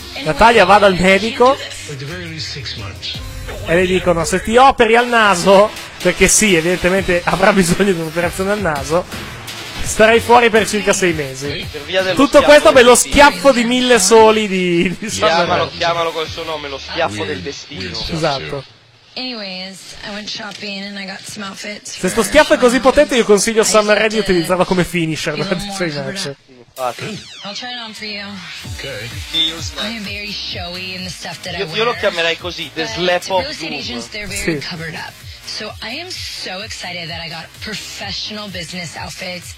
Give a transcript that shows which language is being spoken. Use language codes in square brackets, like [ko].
[it] Natalia va dal medico e le dicono: se ti operi al naso, perché sì, evidentemente avrà bisogno di un'operazione al naso, starei fuori per circa 6 mesi. Tutto questo per lo schiaffo di mille soli di chiamalo col suo nome, lo schiaffo del destino. Esatto. [en] Anyways, I went shopping and I got some outfits. [it] Se sto schiaffo è così potente, io consiglio Summer Rae di utilizzarlo come finisher da suoi match. [en] I'll try it on for you. Okay. I'm very showy in the stuff that I wear. [it] Io lo chiamerei così, [en] the slap of doom. They're very covered up. So I am so excited that I got professional business outfits.